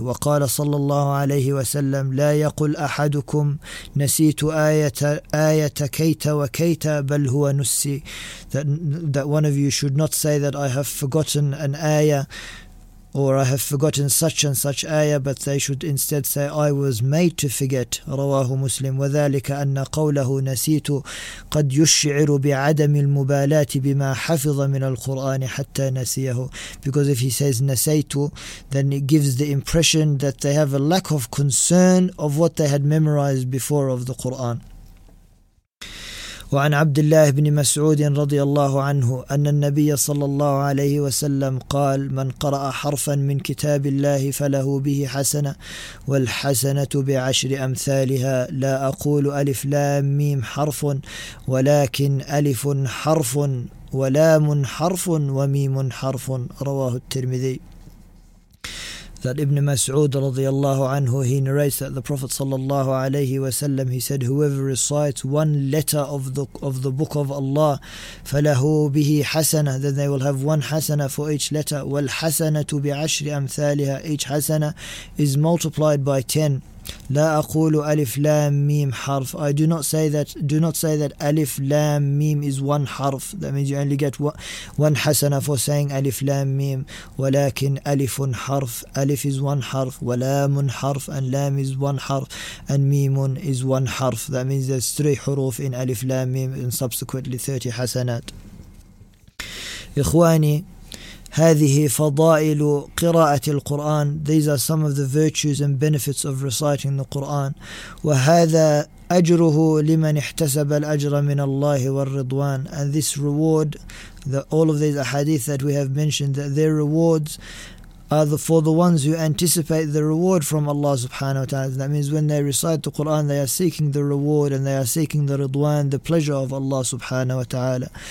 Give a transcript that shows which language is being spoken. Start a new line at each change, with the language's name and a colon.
Arabic: وقال صلى الله عليه وسلم لا يقول أحدكم نسيت آية كيت وكيت بل هو نسي.
English: That one of you should not say that I have forgotten an ayah or I have forgotten such and such ayah, but they should instead say, I was made to forget.
Arabic: رواه مسلم. وذلك أن قوله نسيت قد يشعر بعدم المبالاة بما حفظ من القرآن حتى نسيه.
English: Because if he says نسيت, then it gives the impression that they have a lack of concern of what they had memorized before of the Quran.
Arabic: وعن عبد الله بن مسعود رضي الله عنه أن النبي صلى الله عليه وسلم قال من قرأ حرفا من كتاب الله فله به حسنة والحسنة بعشر أمثالها لا أقول ألف لام ميم حرف ولكن ألف حرف ولام حرف وميم حرف رواه الترمذي.
English: That Ibn Mas'ud radiallahu anhu, he narrates that the Prophet sallallahu alayhi wasallam, he said, whoever recites one letter of the book of Allah,
Arabic: falahu bihi hasana,
English: then they will have one hasana for each letter.
Arabic: Wal hasana tu bi ashri amthaliha,
English: each hasana is multiplied by 10.
Arabic: لا أقول ألف لام ميم حرف.
English: I do not say that. Do not say that ألف لام ميم is one حرف. That means you only get one حسنة for saying ألف لام ميم.
Arabic: ولكن ألف حرف. ألف is one حرف. ولام حرف.
English: And لام is one حرف. And ميم is one حرف. That means there's three حروف in ألف لام ميم and subsequently 30 حسنات.
Arabic: إخواني. هذه فضائل قراءة القرآن.
English: These are some of the virtues and benefits of reciting the Quran.
Arabic: وهذا أجره لمن احتسب الأجر من الله والرضوان.
English: And this reward, all of these ahadith that we have mentioned, that their rewards are for the ones who anticipate the reward from Allah subhanahu wa ta'ala. That means when they recite the Quran, they are seeking the reward and they are seeking the ridwan, the pleasure of Allah subhanahu wa ta'ala.